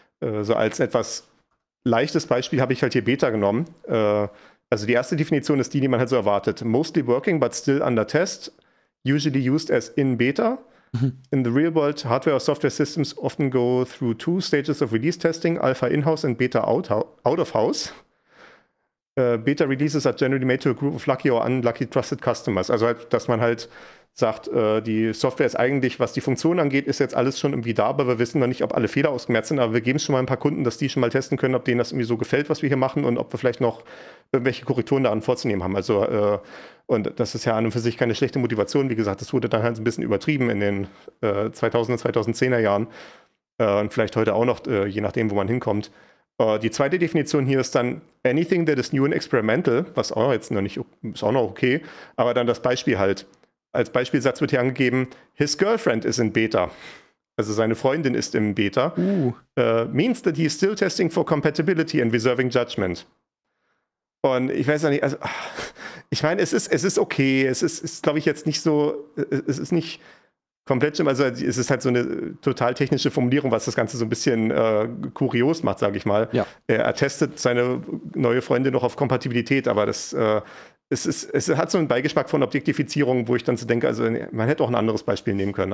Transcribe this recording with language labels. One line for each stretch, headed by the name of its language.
German: So als etwas leichtes Beispiel habe ich halt hier Beta genommen. Also die erste Definition ist die, die man halt so erwartet.
English: Mostly working, but still under test. Usually used as in Beta. In the real world, hardware or software systems often go through two stages of release testing. Alpha in-house and Beta out of house. Beta releases are generally made to a group of lucky or unlucky trusted customers.
German: Also halt, dass man halt sagt, die Software ist eigentlich, was die Funktion angeht, ist jetzt alles schon irgendwie da, aber wir wissen noch nicht, ob alle Fehler ausgemerzt sind, aber wir geben schon mal ein paar Kunden, dass die schon mal testen können, ob denen das irgendwie so gefällt, was wir hier machen und ob wir vielleicht noch irgendwelche Korrekturen daran vorzunehmen haben. Also und das ist ja an und für sich keine schlechte Motivation. Wie gesagt, das wurde dann halt ein bisschen übertrieben in den 2000er, 2010er Jahren und vielleicht heute auch noch, je nachdem, wo man hinkommt. Die zweite Definition hier ist dann
English: anything that is new and experimental,
German: was auch jetzt noch nicht, ist auch noch okay, aber dann das Beispiel halt. Als Beispielsatz wird hier angegeben,
English: his girlfriend is in Beta.
German: Also seine Freundin ist im Beta.
English: Means that he is still testing for compatibility and reserving judgment.
German: Und ich weiß ja nicht, also ich meine, es ist okay. Es ist glaube ich, jetzt nicht so, es ist nicht komplett schlimm. Also es ist halt so eine total technische Formulierung, was das Ganze so ein bisschen kurios macht, sage ich mal. Ja. Er testet seine neue Freundin noch auf Kompatibilität, aber das Es hat so einen Beigeschmack von Objektifizierung, wo ich dann so denke, also man hätte auch ein anderes Beispiel nehmen können.